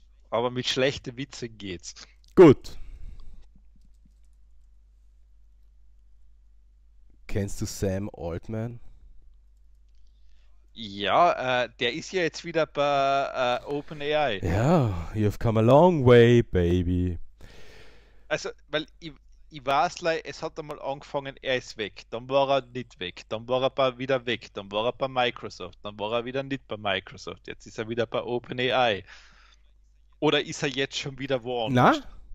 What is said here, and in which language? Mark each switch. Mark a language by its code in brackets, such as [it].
[de] Aber mit schlechten Witzen geht's. Gut. Kennst du Sam Altman? Ja, der ist ja jetzt wieder bei OpenAI. [en] Ja, you've come a long way, baby. [de] Also, weil ich weiß, es hat einmal angefangen, er ist weg, dann war er nicht weg, dann war er wieder weg, dann war er bei Microsoft, dann war er wieder nicht bei Microsoft, jetzt ist er wieder bei OpenAI. Oder ist er jetzt schon wieder woanders? Na?